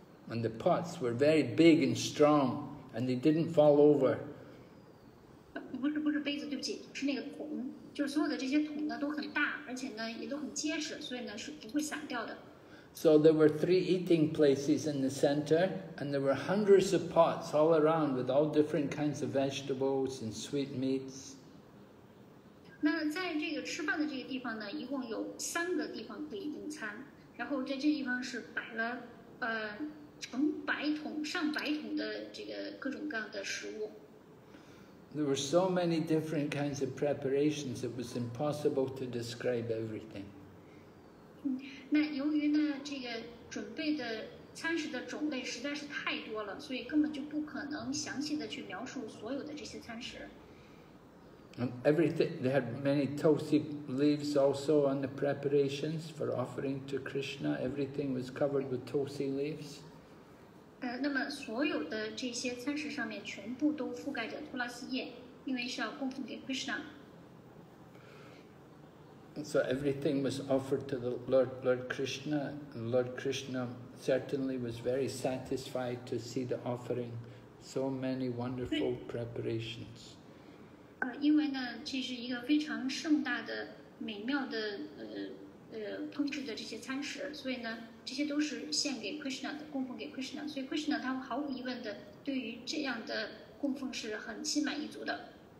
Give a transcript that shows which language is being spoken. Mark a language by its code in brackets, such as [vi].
[en] And the pots were very big and strong, and they didn't fall over. [zh] 不是杯子，对不起，是那个桶。就是所有的这些桶呢都很大，而且呢也都很结实，所以呢是不会散掉的。 [en] So there were three eating places in the center, and there were hundreds of pots all around with all different kinds of vegetables and sweet meats. [zh] 那在这个吃饭的这个地方呢，一共有三个地方可以用餐，然后在这地方是摆了成百桶、上百桶的这个各种各样的食物。 [en] There were so many different kinds of preparations, it was impossible to describe everything. [zh] 那由于呢，这个准备的参事的种类实在是太多了，所以根本就不可能详细的去描述所有的这些参事。 [en] Everything, they had many tulsi leaves also on the preparations for offering to Krishna. Everything was covered with tulsi leaves. [zh] 那么所有的这些餐食上面全部都覆盖着托拉斯叶，因为是要供奉给 Krishna. [en] So everything was offered to the Lord Krishna, and Lord Krishna certainly was very satisfied to see the offering. So many wonderful preparations. [zh] 因为呢，这是一个非常盛大的、美妙的烹制的这些餐食，所以呢，这些都是献给 Krishna 的，供奉给 Krishna， 所以 Krishna 他毫无疑问的对于这样的供奉是很心满意足的。